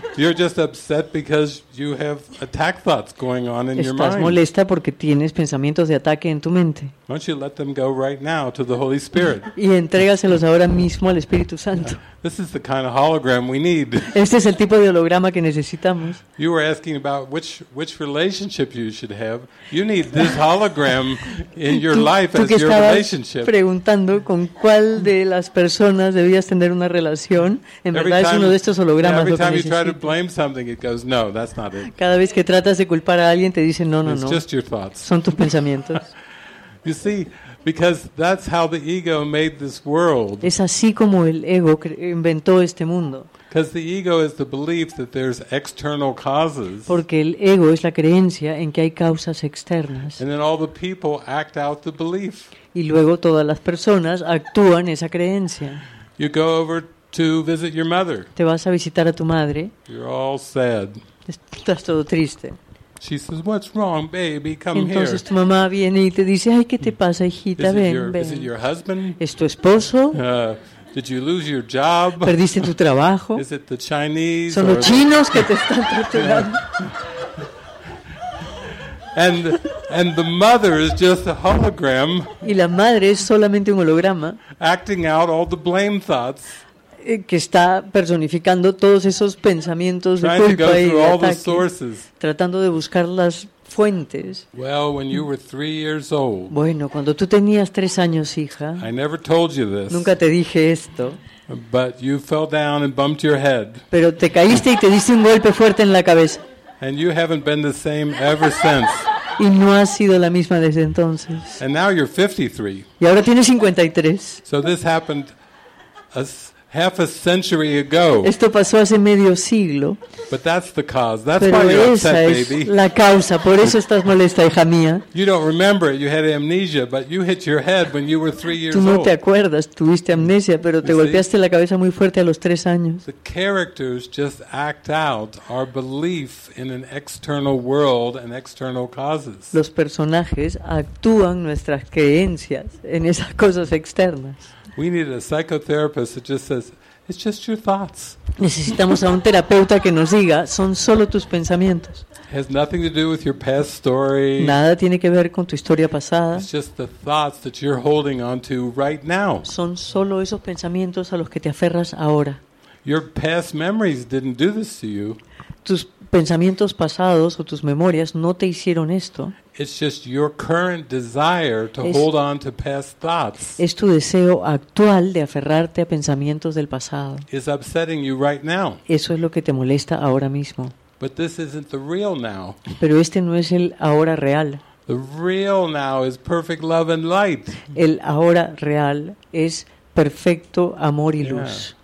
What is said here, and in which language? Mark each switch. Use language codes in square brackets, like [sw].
[en] You're just upset because you have attack thoughts going on in your mind. [es] Estás molesta porque tienes pensamientos de ataque en tu mente. [en] Why don't you let them go right now to the Holy Spirit? [es] Y entrégaselos ahora mismo al Espíritu Santo. [en] This is the kind of hologram we need. [es] Este es el tipo de holograma que necesitamos. [en] You were asking about which relationship you should have. You need this hologram in your life as your relationship. [es] Preguntando con cuál de las personas debías tener una relación. En verdad es uno de estos hologramas lo que necesitas. [en] Every time you try to blame something, it goes, no, that's not it. [es] Cada vez que tratas de culpar a alguien, te dice, no. [en] It's just your thoughts. [es] Son tus pensamientos. [en] You see, because that's how the ego made this world. [es] Es así como el ego inventó este mundo. [en] Because the ego is the belief that there's external causes. [es] Porque el ego es la creencia en que hay causas externas. [en] And then all the people act out the belief. [es] Y luego todas las personas actúan esa creencia. [en] You go over to visit your mother. [es] Te vas a visitar a tu madre. [en] You're all sad. [es] Estás todo triste. [en] She says, "What's wrong, baby? Come here." [es] Entonces tu mamá viene y te dice, "Ay, ¿qué te pasa, hijita? Ven." [en] Is it your husband? [es] ¿Es tu esposo? [en] Did you lose your job? [es] ¿Perdiste tu trabajo? [en] Is it the Chinese? [es] ¿Son los chinos que te están torturando? [en] And the mother is just a hologram. [es] Y la madre es solamente un holograma. [en] Acting out all the blame thoughts. [es] Que está personificando todos esos pensamientos de culpa y de ataque, tratando de buscar las fuentes. [en] Well, when you were 3 years old, [es] bueno, cuando tú tenías 3 años, hija, [en] I never told you this, [es] nunca te dije esto, [en] but you fell down and bumped your head. [es] Pero te caíste y te diste un golpe fuerte en la cabeza. [en] And you haven't been the same ever since. [es] Y no ha sido la misma desde entonces. [en] And now you're 53. [es] Y ahora tienes 53. [en] So this happened half a century ago. [es] Esto pasó hace medio siglo. [en] But that's the cause. That's Pero why you're upset, baby. [es] La causa. Por eso estás molesta, hija mía. [en] You don't remember it. You had amnesia, but you hit your head when you were 3 years [es] Tú no [en] old. [es] Te acuerdas. Tuviste amnesia, pero te golpeaste la cabeza muy fuerte a los 3 años. [en] The characters just act out our belief in an external world and external causes. [es] Los personajes actúan nuestras creencias en esas cosas externas. [en] We need a psychotherapist that just says, "It's just your thoughts." [es] Necesitamos a un terapeuta que nos diga, son solo tus pensamientos. [en] It has nothing to do with your past story. [es] Nada tiene que ver con tu historia pasada. [en] It's just the thoughts that you're holding on to right now. [es] Son solo esos pensamientos a los que te aferras ahora. [en] Your past memories didn't do this to you. [es] Tus pensamientos pasados o tus memorias no te hicieron esto. [en] It's just your current desire to hold on to past thoughts. [es] Es tu deseo actual de aferrarte a pensamientos del pasado. [en] It's upsetting you right now. [es] Eso es lo que te molesta ahora mismo. [en] But this isn't the real now. [es] Pero este no es el ahora real. [en] The real now is perfect love and light. [es] El ahora real es perfecto amor y luz.